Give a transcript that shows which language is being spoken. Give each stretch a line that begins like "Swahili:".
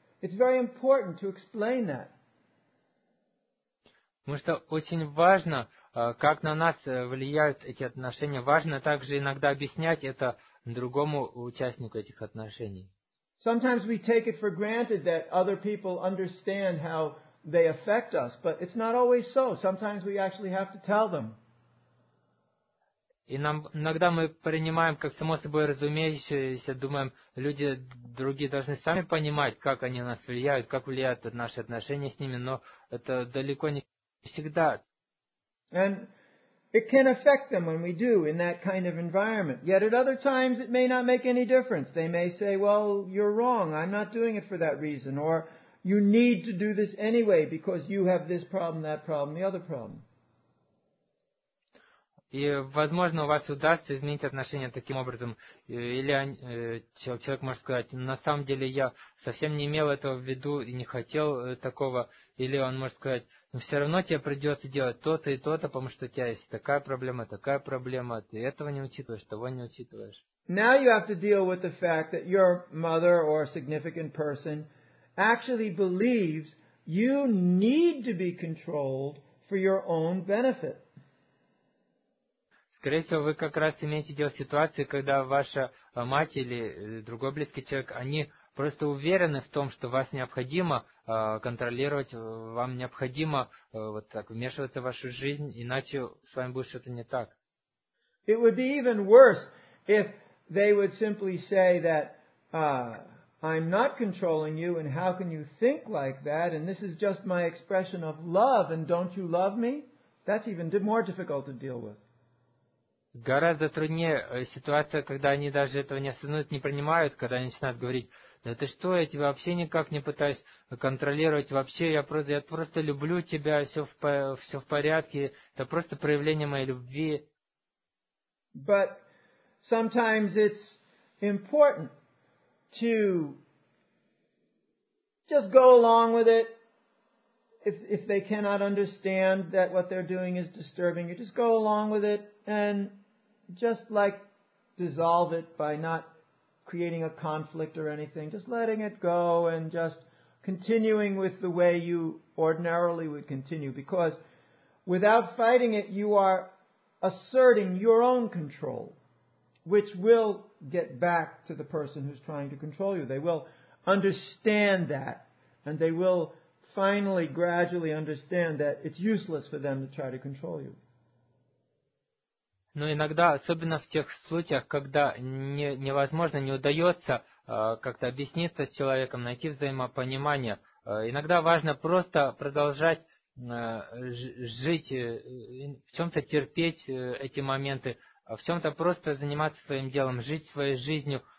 English: It's very important to explain that.
Russian: Потому что очень важно, как на нас влияют эти отношения. Важно также иногда объяснять это другому участнику этих отношений.
English: Sometimes we take it for granted that other people understand how they affect us, but it's not always so. Sometimes we actually have to tell them.
Russian: И нам иногда мы принимаем как само собой разумеющееся, думаем, люди другие должны сами понимать, как они нас влияют, как влияют наши отношения с ними, но это далеко не всегда.
English: And it can affect them when we do in that kind of environment. Yet at other times it may not make any difference. They may say, well, you're wrong. I'm not doing it for that reason. Or you need to do this anyway because you have this problem, that problem, the other problem.
Russian: И, возможно, у вас удастся изменить отношения таким образом. Или человек может сказать, на самом деле я совсем не имел этого в виду и не хотел такого. Или он может сказать, но все равно тебе придется делать то-то и то-то, потому что у тебя есть такая проблема, ты этого не учитываешь, того не учитываешь.
English: Now you have to deal with the fact that your mother or a significant person actually believes you need to be controlled for your own benefit.
Russian: Скорее всего, вы как раз имеете дело с ситуацией, когда ваша мать или другой близкий человек, они просто уверены в том, что вас необходимо контролировать, вам необходимо вот так вмешиваться в вашу жизнь, иначе с вами будет что-то не так.
English: It would be even worse if they would simply say that I'm not controlling you, and how can you think like that, and this is just my expression of love, and don't you love me? That's even more difficult to deal with.
Russian: Гораздо труднее ситуация, когда они даже этого не осознают, не принимают, когда они начинают говорить, да ты что, я тебя вообще никак не пытаюсь контролировать, вообще я просто люблю тебя, все в порядке, это просто проявление моей любви.
English: But sometimes it's important to just go along with it. If they cannot understand that what they're doing is disturbing you, just go along with it and just like dissolve it by not creating a conflict or anything, just letting it go and just continuing with the way you ordinarily would continue, because without fighting it, you are asserting your own control, which will get back to the person who's trying to control you. They will understand that, and they will finally gradually understand that it's useless for them to try to control you.
Russian: Но иногда, особенно в тех случаях, когда невозможно, не удается как-то объясниться с человеком, найти взаимопонимание, иногда важно просто продолжать жить, в чем-то терпеть эти моменты, в чем-то просто заниматься своим делом, жить своей жизнью,